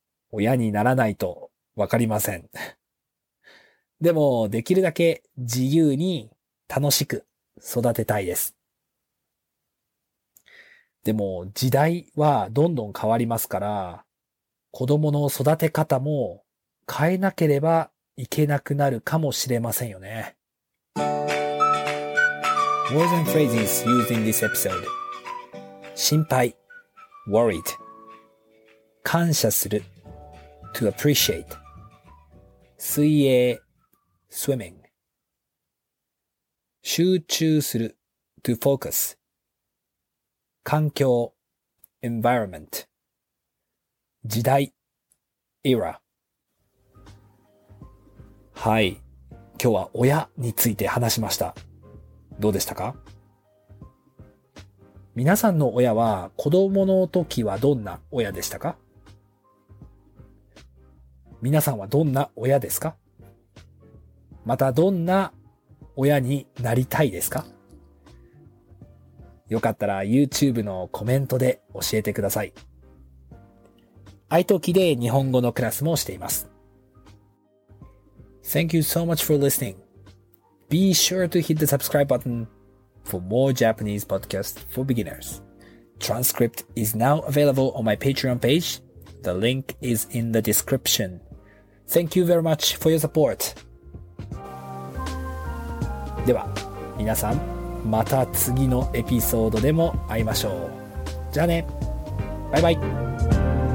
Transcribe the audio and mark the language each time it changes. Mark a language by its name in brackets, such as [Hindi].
[Japanese] 親にならないとわかりません。でもできるだけ自由に楽しく育てたいです。でも時代はどんどん変わりますから、子供の育て方も変えなければいけなくなるかもしれませんよね。 [English] Words and phrases used in this episode. [Japanese] 心配 worried 感謝する to appreciate 水泳 swimming 集中する to focus環境 environment 時代 era はい、今日は親について話しました。どうでしたか？皆さんの親は子供の時はどんな親でしたか？皆さんはどんな親ですか？またどんな親になりたいですか？よかったら YouTube のコメントで教えてください。 iTalkiで日本語のクラスもしています。 [English] Thank you so much for listening. Be sure to hit the subscribe button for more Japanese podcasts for beginners. Transcript is now available on my Patreon page. The link is in the description. Thank you very much for your support. [Japanese] では、皆さん。また次のエピソードでも会いましょう。じゃあね。バイバイ。